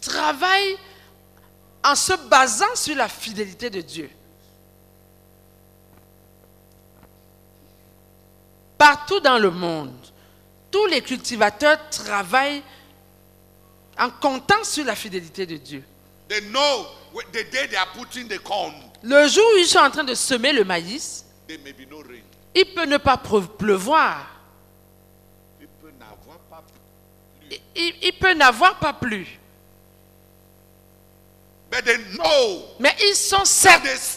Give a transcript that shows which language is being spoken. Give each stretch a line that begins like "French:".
French: Travaillent en se basant sur la fidélité de Dieu. Partout dans le monde, tous les cultivateurs travaillent en comptant sur la fidélité de Dieu.
English: They know the day they are putting the corn.
French: Le jour où ils sont en train de semer le maïs,
English: there may be no rain.
French: Il peut ne pas pleuvoir. Il peut n'avoir pas plu. Il peut n'avoir pas plu.
English: But they know.
French: Mais ils sont certains